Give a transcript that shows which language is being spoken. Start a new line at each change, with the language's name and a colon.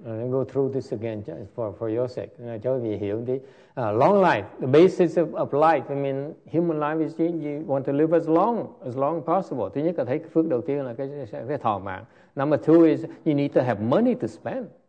English: Let me go through this again just for your sake.
Vietnamese: Cho vì hiểu đi.
English: Long life, the basis of life. I mean, human life is you want to live as long possible.
Vietnamese: Thứ nhất là thấy phước đầu tiên là cái thọ mạng.
English: Number two is you need to have money to spend.